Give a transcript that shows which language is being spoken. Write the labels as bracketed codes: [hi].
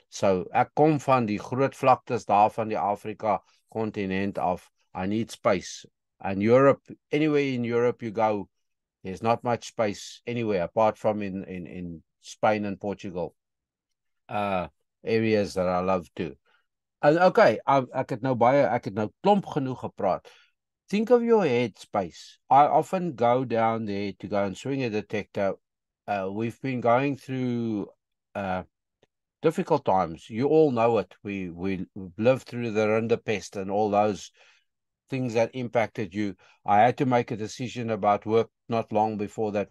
[af] So, ek kom van die groot vlaktes daar van die Afrika continent af. [en] I need space. And Europe, anywhere in Europe you go, there's not much space anywhere apart from in Spain and Portugal. Areas that I love too. [af] And okay, ek het nou klomp genoeg gepraat. [en] Think of your head space. I often go down there to go and swing a detector. We've been going through difficult times. You all know it. We lived through the Rinderpest and all those things that impacted you. I had to make a decision about work not long before that.